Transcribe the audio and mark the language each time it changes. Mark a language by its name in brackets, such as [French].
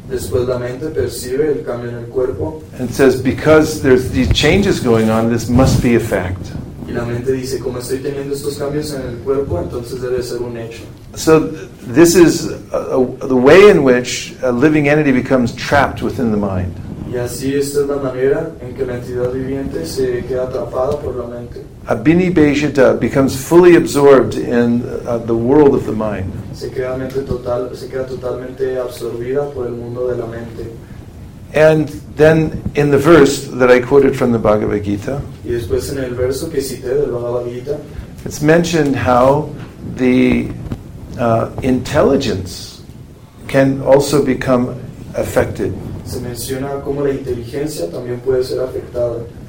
[Spanish] Después la mente percibe el cambio en el cuerpo. [English] And says, because there's these changes going on, this must be a fact. [Spanish] Y la mente dice, como estoy teniendo estos cambios en el cuerpo, entonces debe ser un hecho. [English] So this is the way in which a living entity becomes trapped within the mind. [Spanish] Y así esta es la manera en que la entidad viviente se queda atrapada por la mente. [English] Abhinibeshita becomes fully absorbed in the world of the mind. [Spanish] Se queda totalmente absorbida por el mundo de la mente. [English] And then in the verse that I quoted from the Bhagavad Gita, [Spanish] y después en el verso que cité del Bhagavad Gita, [English] it's mentioned how the intelligence can also become affected. [Spanish] Se menciona cómo la inteligencia también puede ser afectada